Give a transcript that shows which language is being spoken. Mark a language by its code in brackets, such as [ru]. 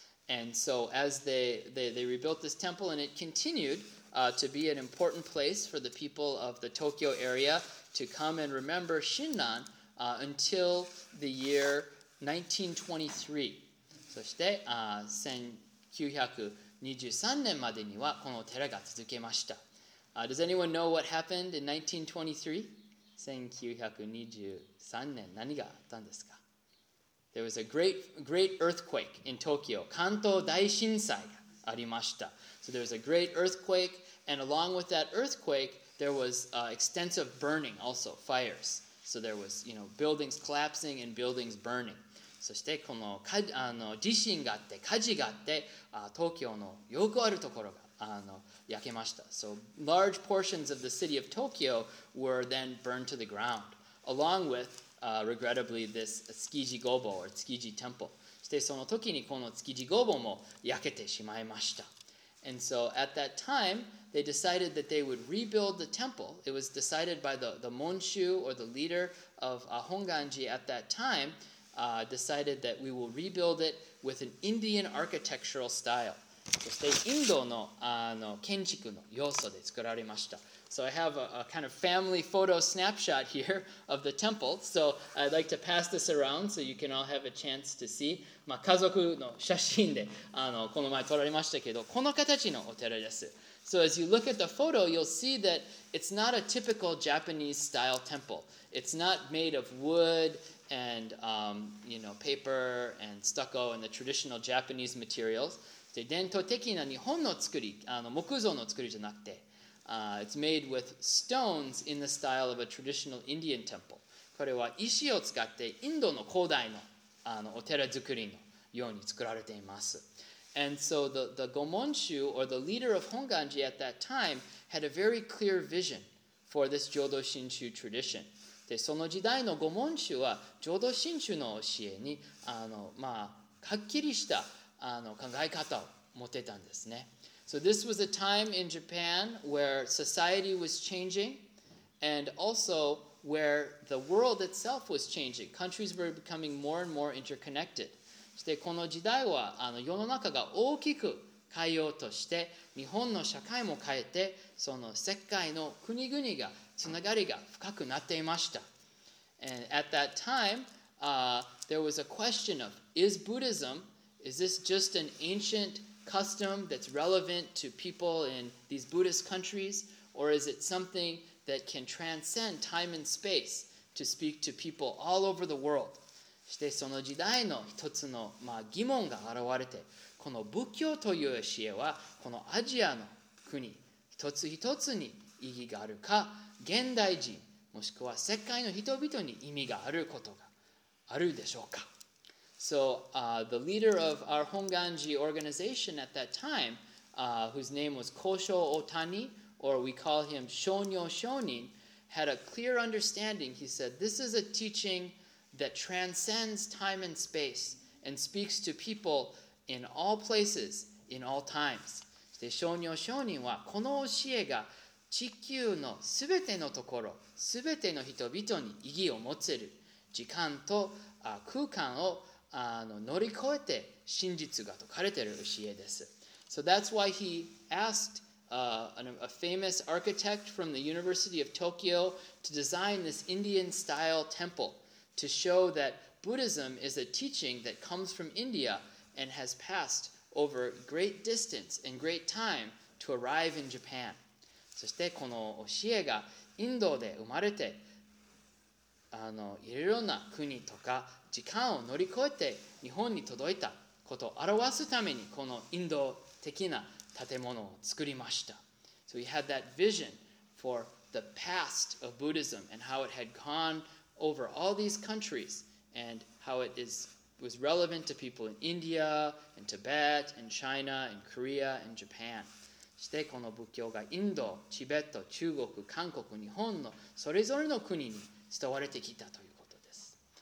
[en] And so as they rebuilt this temple, and it continued to be an important place for the people of the Tokyo area to come and remember Shinran until the year 1923. [ja] そして1923 23年までにはこの寺が続けました。 [en] Does anyone know what happened in 1923? [ja] 1923年、何があったんですか? [en] There was a great earthquake in Tokyo. [ja] 関東大震災がありました。 [en] So there was a great earthquake, and along with that earthquake, there was extensive burning also, fires. So there was, you know, buildings collapsing and buildings burning. [ja] そしてこの地震があって火事があって東京のよくあるところが焼けました。 [en] So large portions of the city of Tokyo were then burned to the ground, along with, regrettably, this Tsukiji Gobo or Tsukiji Temple. [ja] そしてその時にこの Tsukiji Gobo も焼けてしまいました。 [en] And so at that time, they decided that they would rebuild the temple. It was decided by the Monshu or the leader of Honganji at that time. Decided that we will rebuild it with an Indian architectural style. [ja] そしてインドの建築の要素で作られました。 [en] So I have a kind of family photo snapshot here of the temple. So I'd like to pass this around so you can all have a chance to see. [ja] まあ家族の写真でこの前撮られましたけど、この形のお寺です。 [en] So as you look at the photo, you'll see that it's not a typical Japanese style temple. It's not made of wood. And you know, paper and stucco and the traditional Japanese materials. [ja] で、伝統的な日本の作り、木造の作りじゃなくて、 [en] it's made with stones in the style of a traditional Indian temple. [ja] これは石を使ってインドの古代の、お寺作りのように作られています。 [en] And so the Gomonshu or the leader of Honganji at that time had a very clear vision for this Jodo Shinshu tradition. [ja] でその時代の御門宗は浄土真宗の教えにはっきりした考え方を持ってたんですね。 [en] So this was a time in Japan where society was changing and also where the world itself was changing. Countries were becoming more and more interconnected. [ja] そしてこの時代は世の中が大きく変えようとして日本の社会も変えてその世界の国々がつながりが深くなっていました。 [en] And at that time, there was a question of, is Buddhism, is this just an ancient custom that's relevant to people in these Buddhist countries, or is it something that can transcend time and space to speak to people all over the world? [ja] そしてその時代の一つの、疑問が現れて、この仏教という教えはこのアジアの国一つ一つに意義があるか、現代人もしくは世界の人々に意味があることがあるでしょうか? [en] So, the leader of our Honganji organization at that time, whose name was Kosho Otani, or we call him Shonyo Shonin, had a clear understanding. He said, this is a teaching that transcends time and space and speaks to people in all places, in all times. [ja] で、Shonyo Shonin はこの教えが地球のすべてのところ、すべての人々に意義を持つ時間と空間を乗り越えて真実が説かれている教えです。 [en] So that's why he asked a famous architect from the University of Tokyo to design this Indian style temple to show that Buddhism is a teaching that comes from India and has passed over great distance and great time to arrive in Japan. [ja] そしてこの教えがインドで生まれて、いろいろな国とか時間を乗り越えて日本に届いたことを表すためにこのインド的な建物を作りました。 [en] So he had that vision for the past of Buddhism and how it had gone over all these countries and how it was relevant to people in India and Tibet and China and Korea and Japan. [ja] そしてこの仏教がインド、チベット、中国、韓国、日本のそれぞれの国に伝われてきたということです。